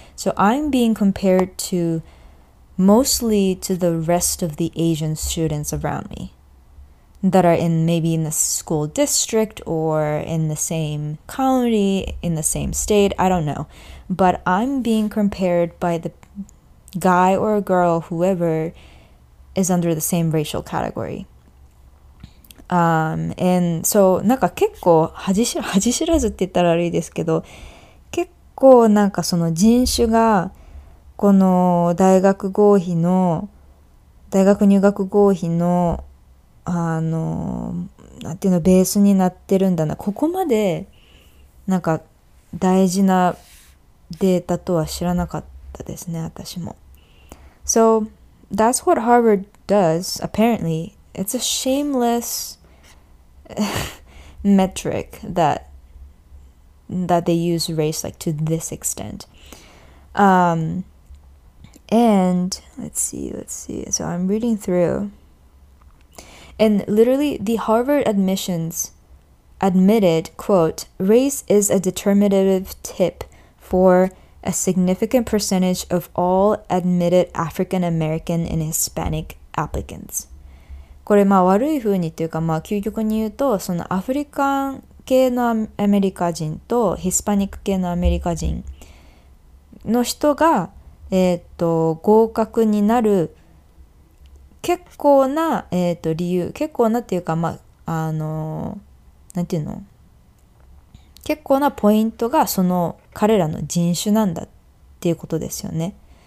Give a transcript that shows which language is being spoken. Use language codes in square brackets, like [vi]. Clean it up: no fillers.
[en] So I'm being compared to mostly to the rest of the Asian students around me that are in maybe in the school district or in the same county, in the same state, I don't know. But I'm being compared by the guy or girl, whoever,is under the same racial category. And so, [ja] なんか結構恥知らずって言ったら悪いですけど、結構なんかその人種がこの大学合否の大学入学合否のなんていうのベースになってるんだな。ここまでなんか大事なデータとは知らなかったですね。私も。So [en] That's what Harvard does, apparently. It's a shameless metric that they use race like to this extent. And let's see. So I'm reading through. And literally, the Harvard admissions admitted, quote, race is a determinative tip for a significant percentage of all admitted African American and Hispanic applicants. [ja] これまあ悪いふうにっていうかまあ究極に言うとそのアフリカン系のアメリカ人とヒスパニック系のアメリカ人の人が合格になる結構な理由結構なっていうかまあなんていうの結構なポイントがその彼らの人種なんだっていうことですよね。